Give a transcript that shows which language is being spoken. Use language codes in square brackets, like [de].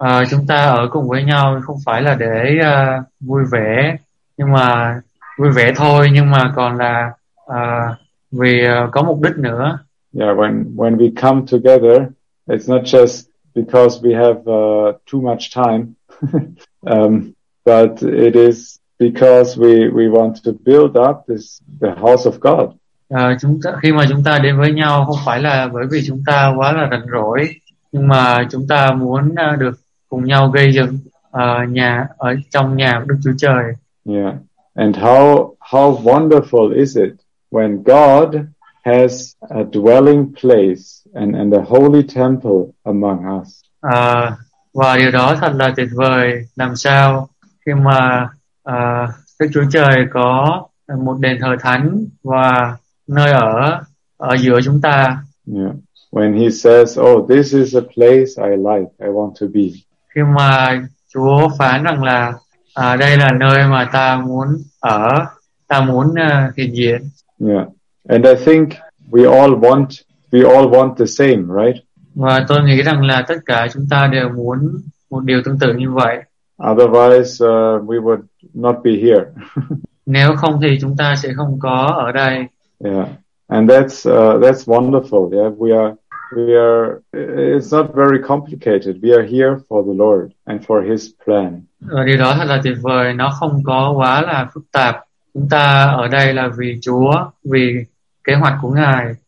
[vi] Chúng ta ở cùng với nhau không phải là để vui vẻ, nhưng mà vui vẻ thôi, nhưng mà còn là vì có mục đích nữa. [en] Yeah, when we come together, it's not just because we have too much time, but it is because we want to build up this the house of God. [vi] Khi mà chúng ta đến với nhau không phải là bởi vì chúng ta quá là rảnh rỗi, nhưng mà chúng ta muốn được cùng nhau gây dựng nhà ở trong nhà của Đức Chúa Trời. [en] Yeah, and how wonderful is it when God has a dwelling place and a holy temple among us? [vi] Và điều đó thật là tuyệt vời. Làm sao khi mà Đức Chúa Trời có một đền thờ thánh và nơi ở giữa chúng ta. [en] Yeah. When he says, oh, this is a place I like, I want to be. [vi] Khi mà Chúa phán rằng là đây là nơi mà ta muốn ở, ta muốn hiện diện. [en] Yeah. And I think we all want the same, right? [vi] Và tôi nghĩ rằng là tất cả chúng ta đều muốn một điều tương tự như vậy. [en] Otherwise, we would not be here. [vi] Nếu không thì chúng ta sẽ không có ở đây. [en] Yeah, and that's wonderful. Yeah, we are. It's not very complicated. We are here for the Lord and for His plan. [vi] Và điều đó thật là tuyệt vời. Nó không có quá là phức tạp. Chúng ta ở đây là vì Chúa, vì kế hoạch của Ngài.